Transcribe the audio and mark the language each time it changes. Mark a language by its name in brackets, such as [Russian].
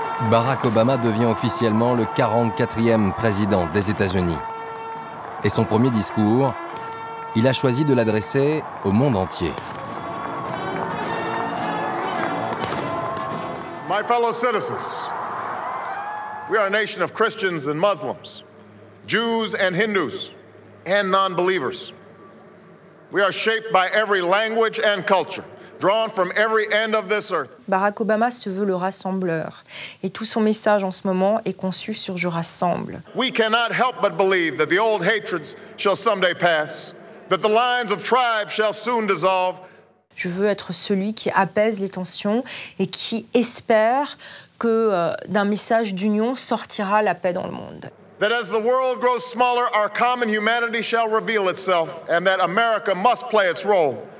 [French] Barack Obama devient officiellement le 44e président des États-Unis. Et son premier discours, il a choisi de l'adresser au monde entier. [English] My fellow citizens, we are a nation of Christians and Muslims, Jews and Hindus, and non-believers. We are shaped by every language and culture. Drawn from every end of this earth. [French] Barack Obama se veut le rassembleur. Et tout son message en ce moment est conçu sur « Je rassemble ». [English] We cannot help but believe that the old hatreds shall someday pass, that the lines of tribes shall soon dissolve. [French] Je veux être celui qui apaise les tensions et qui espère que d'un message d'union sortira la paix dans le monde. [English] That as the world grows smaller, our common humanity shall reveal itself and that America must play its role.